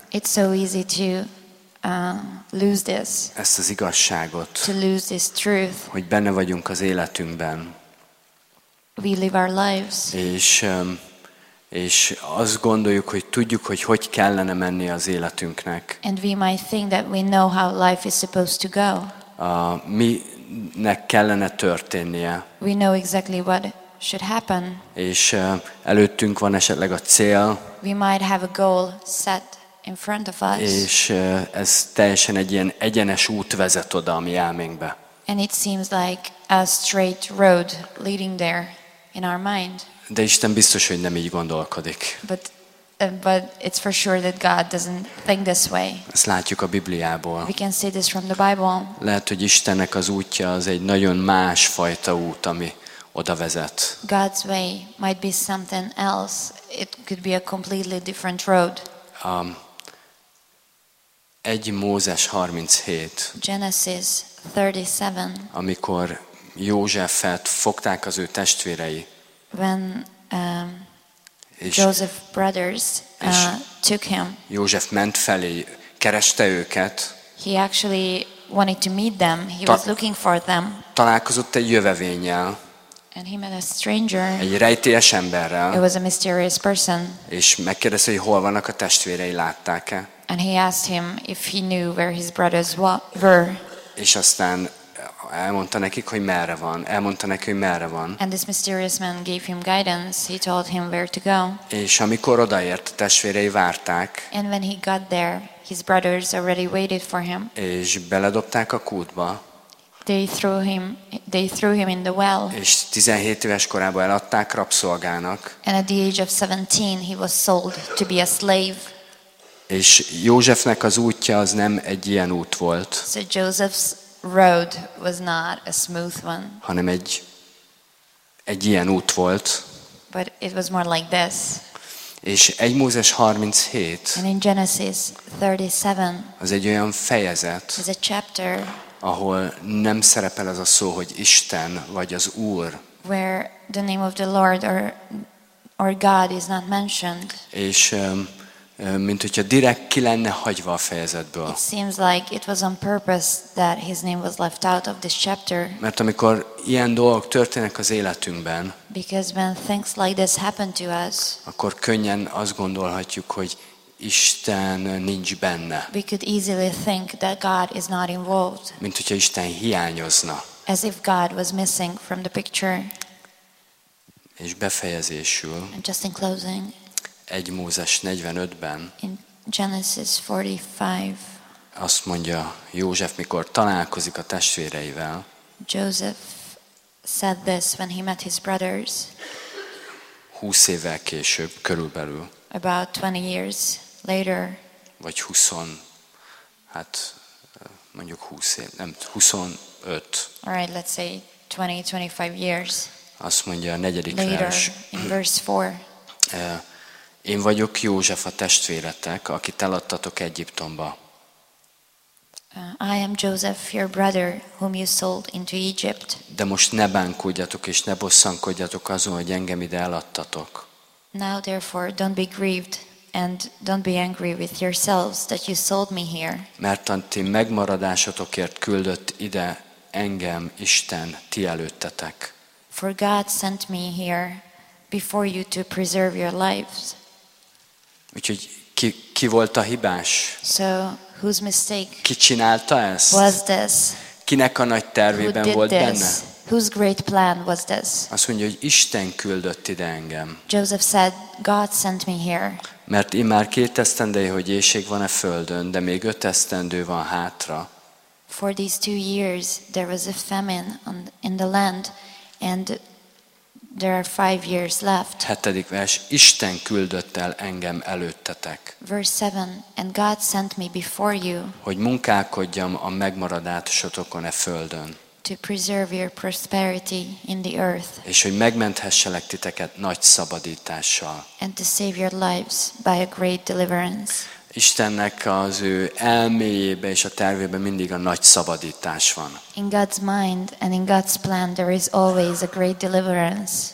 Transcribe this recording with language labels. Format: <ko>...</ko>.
<en>It's so easy to lose this.</en> <hu>Ezt az igazságot.</hu> <en>To lose this truth.</en> <hu>Hogy benne vagyunk az életünkben.</hu> <en>We live our lives.</en> <hu>És azt gondoljuk, hogy tudjuk, hogy kellene menni az életünknek.</hu> <en>And we might think that we know how life is supposed to go.</en> <hu>Minek kellene történnie.</hu> <en>We know exactly what should happen.</en> <hu>És előttünk van esetleg a cél.</hu> <en>We might have a goal set in front of us.</en> <hu>És ez teljesen egy ilyen egyenes út vezet oda a mi elménkbe.</hu> <en>And it seems like a straight road leading there in our mind.</en> <hu>De Isten biztos, hogy nem így gondolkodik.</hu> <en>But it's for sure that God doesn't think this way.</en> <hu>Ezt látjuk a Bibliából.</hu> <en>We can see this from the Bible.</en> <hu>Lehet, hogy Istennek az útja az egy nagyon más fajta út, ami oda vezet.</hu> <en>God's way might be something else. It could be a completely different road.</en> <hu>1 Mózes 37.</hu> <en>Genesis 37.</en> <hu>Amikor Józsefet fogták az ő testvérei.</hu> <en>When Joseph's brothers took him.</en> <hu>József ment felé, kereste őket.</hu> <en>He actually wanted to meet them. He was looking for them.</en> <hu>Találkozott egy jövevénnyel.</hu> <en>And he met a stranger.</en> <hu>Egy rejtélyes emberrel.</hu> <en>It was a mysterious person.</en> <hu>És megkérdezte, hogy hol vannak a testvérei, látták-e.</hu> <en>And he asked him if he knew where his brothers were.</en> <hu>És aztán elmondta nekik, hogy merre van. Elmondta neki, hogy merre van.</hu> <en>And this mysterious man gave him guidance. He told him where to go.</en> <hu>És amikor odaért, a testvérei várták.</hu> <en>And when he got there, his brothers already waited for him.</en> <hu>És beledobták a kútba.</hu> <en>They threw him in the well.</en> <hu>És 17 éves korában eladták rabszolgának.</hu> <en>And at the age of 17 he was sold to be a slave.</en> <hu>És Józsefnek az útja az nem egy ilyen út volt.</hu> <en>So Joseph's road was not a smooth one.</en> <hu>Hanem egy ilyen út volt.</hu> <en>But it was more like this.</en> <hu>És 1 Mózes 37.</hu> <en>And in Genesis 37.</en> <hu>Az egy olyan fejezet.</hu> <en>Is a chapter.</en> <hu>Ahol nem szerepel ez a szó, hogy Isten vagy az Úr.</hu> <en>Where the name of the Lord or God is not mentioned.</en> <hu>És mint hogyha direkt ki lenne hagyva a fejezetből.</hu> <en>It seems like it was on purpose that his name was left out of this chapter.</en> <hu>Mert amikor ilyen dolgok történnek az életünkben,</hu> <en>because when things like this happen to us,</en> <hu>akkor könnyen azt gondolhatjuk, hogy Isten nincs benne.</hu> <en>We could easily think that God is not involved.</en> <hu>Mint hogyha Isten hiányozna.</hu> <en>As if God was missing from the picture.</en> <hu>És befejezésül.</hu> <en>And just in closing.</en> <hu>1 Mózes 45-ben.</hu> <en>In Genesis 45.</en> <hu>Azt mondja József, mikor találkozik a testvéreivel.</hu> <en>Joseph said this when he met his brothers.</en> <hu>20 évvel később körülbelül.</hu> <en>About 20 years later.</en> <hu>Vagy 20, hát mondjuk 20 év, nem, 25.</hu> <en>All right, let's say 20, 25 years.</en> <hu>Azt mondja a negyedik vers.</hu> <en>In verse 4.</en> <hu>Én vagyok József a testvéretek, akit eladtatok Egyiptomba.</hu> <en>I am Joseph, your brother, whom you sold into Egypt.</en> <hu>De most ne bánkodjatok és ne bosszankodjatok azon, hogy engem ide eladtatok.</hu> <en>Now therefore don't be grieved and don't be angry with yourselves that you sold me here.</en> <hu>Mert a ti megmaradásotokért küldött ide engem Isten ti előttetek.</hu> <en>For God sent me here before you to preserve your lives.</en> <hu>Úgyhogy ki volt a hibás?</hu> <en>So whose mistake?</en> <hu>Ki csinálta ezt?</hu> <en>Was this?</en> <hu>Kinek a nagy tervében volt</hu> <en>this?</en> <hu>Benne?</hu> <en>Whose great plan was this?</en> <hu>Azt mondja, hogy Isten küldött ide engem.</hu> <en>Joseph said, God sent me here.</en> <hu>Mert én már 2 esztendeje, hogy éhség van a földön, de még 5 esztendő van hátra.</hu> <en>For these 2 years there was a famine in the land and there are 5 years left.</en> <hu>7. vers, Isten küldött el engem előttetek.</hu> <en>Verse 7, and God sent me before you.</en> <hu>Hogy munkálkodjam a megmaradásotokon e földön.</hu> <en>To preserve your prosperity in the earth.</en> <hu>És hogy megmenthesselek titeket nagy szabadítással.</hu> <en>And to save your lives by a great deliverance.</en> <hu>Istennek az ő elméjében és a tervében mindig a nagy szabadítás van.</hu> <en>In God's mind and in God's plan there is always a great deliverance.</en>